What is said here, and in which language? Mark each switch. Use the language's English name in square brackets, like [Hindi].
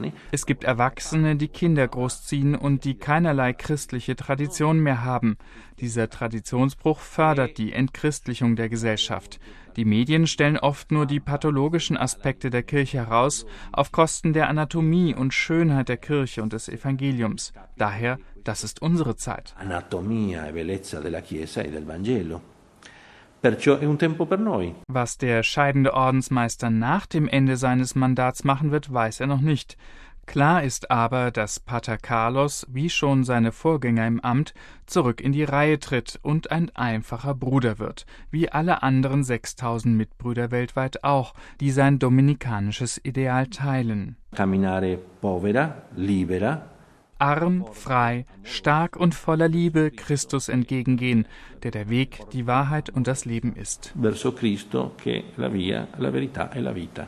[German] Es gibt Erwachsene, die Kinder großziehen und die keinerlei christliche Tradition mehr haben. Dieser Traditionsbruch fördert die Entchristlichung der Gesellschaft. Die Medien stellen oft nur die pathologischen Aspekte der Kirche heraus, auf Kosten der Anatomie und Schönheit der Kirche und des Evangeliums. Daher, das ist unsere Zeit. [Italian] Anatomia e bellezza della Chiesa e del Vangelo. Perciò è un tempo per noi. [German] Was der scheidende Ordensmeister nach dem Ende seines Mandats machen wird, weiß er noch nicht. Klar ist aber, dass Pater Carlos, wie schon seine Vorgänger im Amt, zurück in die Reihe tritt und ein einfacher Bruder wird, wie alle anderen 6000 Mitbrüder weltweit auch, die sein dominikanisches Ideal teilen. [Italian] Camminare povera, libera. [German] Arm, frei, stark und voller Liebe Christus entgegengehen, der der Weg, die Wahrheit und das Leben ist. [Italian] Verso Cristo, che la via, la verità e la vita.